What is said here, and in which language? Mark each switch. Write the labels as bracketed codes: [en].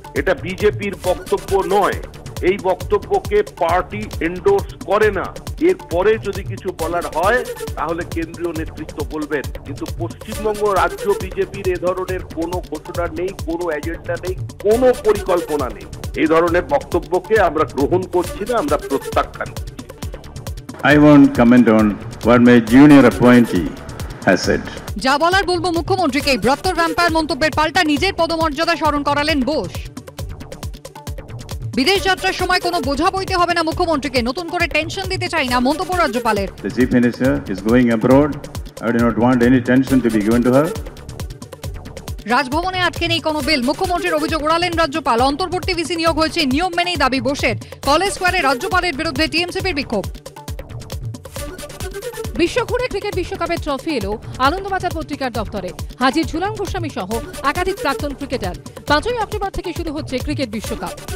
[bn] এটা বিজেপির বক্তব্য নয়, এই বক্তব্যকে পার্টি এন্ডোর্স করে না। এরপরে যদি কিছু বলার হয় তাহলে কেন্দ্রীয় নেতৃত্ব বলবেন, কিন্তু পশ্চিমবঙ্গ রাজ্য বিজেপির এ ধরনের কোনো ঘোষণা নেই, কোনো এজেন্ডা নেই, কোনো পরিকল্পনা নেই। এই ধরনের বক্তব্যকে আমরা গ্রহণ করছি না, আমরা প্রত্যাখ্যান করছি। [en] I won't comment on what my junior appointee has said. [bn] যা বলার বলবো মুখ্যমন্ত্রীকে। বৃহত্তর ভ্যাম্পায়ার মন্তব্যের পাল্টা নিজের পদমর্যাদা স্মরণ করালেন বোস। বিদেশ যাত্রার সময় কোনো বোঝা বইতে হবে না মুখ্যমন্ত্রীকে, নতুন করে টেনশন দিতে চাই না মন্তব্য রাজ্যপালের। [en] The chief minister is going abroad. I do not want any tension to be given to her. [bn] রাজভবনে আটকে নেই কোনো বিল, মুখ্যমন্ত্রীর অভিযোগ উড়ালেন রাজ্যপাল। অন্তর্বর্তী ভিসি নিয়োগ হয়েছে নিয়ম মেনেই দাবি বোসের। কলেজ স্কোয়ারে রাজ্যপালের বিরুদ্ধে টিএমসিপির বিক্ষোভ। বিশ্বঘুরে ক্রিকেট বিশ্বকাপের ট্রফি এলো আনন্দবাজার পত্রিকার দপ্তরে। হাজির ঝুলন গোস্বামী সহ একাধিক প্রাক্তন ক্রিকেটার। 5ই অক্টোবর থেকে শুরু হচ্ছে ক্রিকেট বিশ্বকাপ।